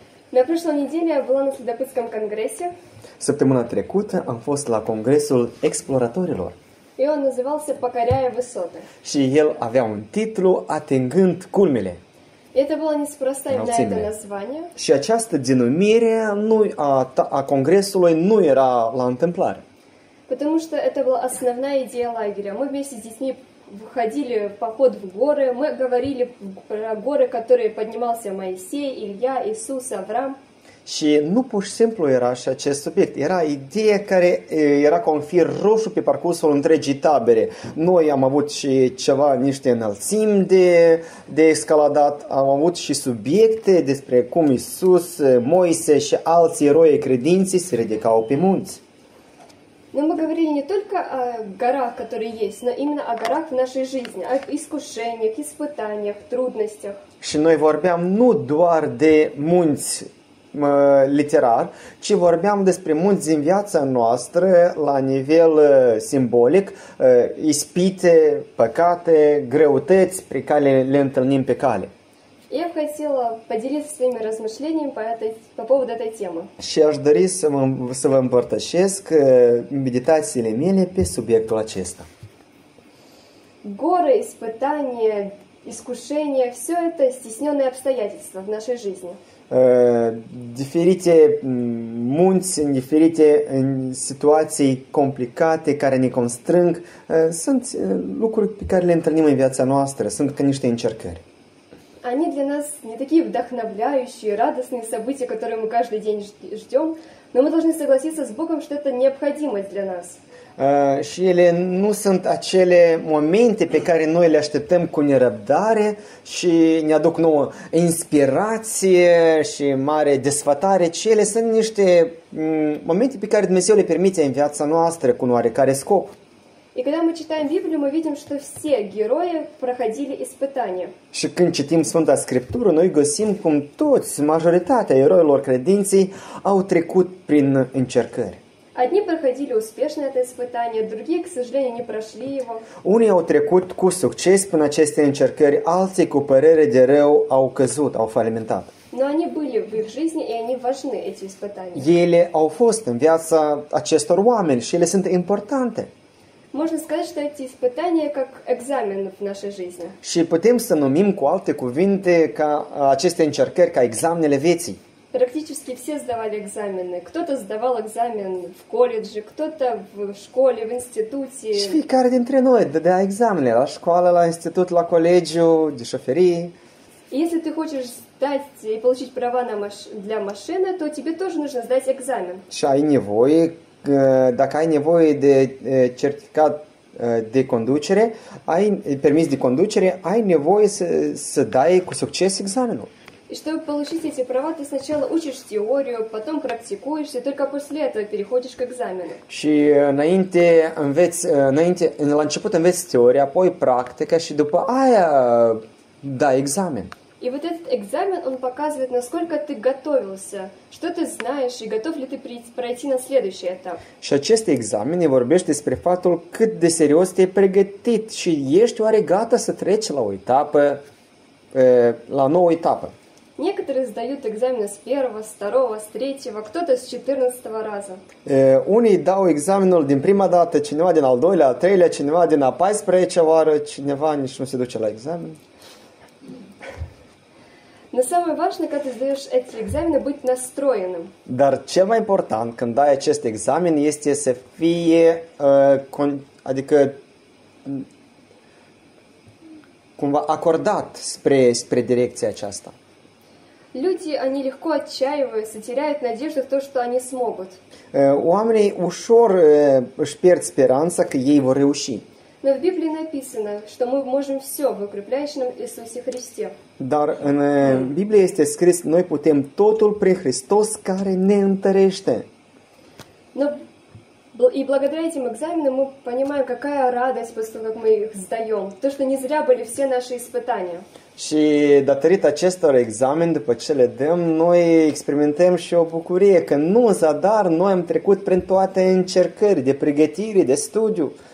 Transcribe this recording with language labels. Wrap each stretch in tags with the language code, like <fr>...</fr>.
<ru>На прошлой неделе я была на следопытском конгрессе.</ru> <ro>Săptămâna trecută am fost la congresul exploratorilor.</ro> <ru>И он назывался «Покоряя высоты».</ru> <ro>Și el avea un titlu «Atingând culmile».</ro> <ru>И это было неспроста именно это название.</ru> <ro>Și această denumire a congresului nu era la întâmplare.</ro> <ru>Потому что это была основная идея лагеря. Мы вместе с детьми выходили в поход в горы, мы говорили про горы, которые поднимался Моисей, Илья, Иисус, Авраам.</ru> <ro>Și nu pur și simplu era și acest subiect. Era ideea care era ca un fir roșu pe parcursul întregii tabere. Noi am avut și ceva, niște înălțimi de escaladat, am avut și subiecte despre cum Iisus, Moise și alții eroi credinții se ridicau pe munți.</ro> <ru>Но мы говорили не только о горах, которые есть, но именно о горах в нашей жизни, о искушениях, испытаниях, трудностях.</ru> <ro>Și noi vorbeam nu doar de munți literar, ci vorbeam despre munți din viața noastră la nivel simbolic, ispite, păcate, greutăți pe care le întâlnim pe cale.</ro> <ru>Я хотела поделиться своими размышлениями по поводу этой темы.</ru> <ro>Și aș dori să vă împărtășesc meditațiile mele pe subiectul acesta.</ro> <ru>Горы, испытания, искушения, все это стесненные обстоятельства в нашей жизни.</ru> <ro>Diferite munți, diferite situații complicate care ne constrâng, sunt lucruri pe care le întâlnim în viața noastră, sunt ca niște încercări.</ro> <ru>Они для нас не такие вдохновляющие, радостные события, которые мы каждый день ждем, но мы должны согласиться с Богом, что это необходимость для нас.</ru> <ro>Și ele nu sunt acele momente pe care noi le așteptăm cu nerăbdare și ne aduc nouă inspirație și mare desfătare, ci ele sunt niște momente pe care Dumnezeu le permite în viața noastră cu un oarecare scop.</ro> <ru>И когда мы читаем Библию, мы видим, что все герои проходили испытания.</ru> <ro>Și când citim Sfânta Scriptură, noi găsim cum toți, majoritatea eroilor credinței, au trecut prin încercări.</ro> <ru>Одни проходили успешно это испытание, другие, к сожалению, не прошли его.</ru> <ro>Unii au trecut cu succes prin aceste încercări, alții, cu părere de rău, au căzut, au falimentat.</ro> <ru>Но они были в их жизни, и они важны, эти испытания.</ru> <ro>Ele au fost în viața acestor oameni și ele sunt importante.</ro> <ru>Можно сказать, что эти испытания как экзамен в нашей жизни.</ru> <ro>Și putem să numim cu alte cuvinte ca aceste încercări ca examenele vieții.</ro> <ru>Практически все сдавали экзамены. Кто-то сдавал экзамен в колледже, кто-то в школе, в институте.</ru> <ro>Și fiecare dintre noi dădea examene la școală, la institut, la colegiu, de șoferie.</ro> <ru>Если ты хочешь сдать и получить права для машины, то тебе тоже нужно сдать экзамен.</ru> <ro>Și ai nevoie. Dacă ai nevoie de certificat de conducere, ai permis de conducere, ai nevoie să dai cu succes examenul.</ro> <ru>И чтобы получить эти права, ты сначала учишь теорию, потом практикуешь, и только после этого переходишь к экзамену.</ru> <ro>Și înainte înveți, înainte, la început înveți teoria, apoi practica și după aia dai examen.</ro> <ru>И вот этот экзамен, он показывает, насколько ты готовился, что ты знаешь и готов ли ты пройти на следующий этап.</ru> <ro>Și acest examen îi vorbește despre faptul cât de serios te-ai pregătit și ești oare gata să treci la o etapă, la nouă etapă.</ro> <ru>Некоторые сдают экзамены с первого, с второго, с третьего, кто-то с 14-го раза.</ru> <ro>Unii dau examenul din prima dată, cineva din al doilea, al treilea, cineva din a 14-a oară, cineva nici nu se duce la examen.</ro> <ru>Но самое важное, когда ты сдаешь эти экзамены, быть настроенным.</ru> <ro>Dar cel mai important când dai acest examen este să fie adică cumva acordat spre direcția aceasta.</ro> <ru>Люди, они легко отчаиваются, теряют надежду в то, что они смогут.</ru> <ro>Oamenii ușor își pierd speranța că ei vor reuși.</ro> <ru>Но в Библии написано, что мы можем все в укрепляющем Иисусе Христе.</ru> <ro>Dar în Biblie este scris, noi putem totul prin Hristos care ne întărește.</ro> <ru>Но и благодаря этим экзаменам мы понимаем, какая радость после того, как мы их сдаем. То, что не зря были все наши испытания.</ru> <ro>Și datorită acestor examen, după ce le dăm, noi experimentăm și o bucurie, că nu în zadar noi am trecut prin toate încercări de pregătire, de studiu.</ro>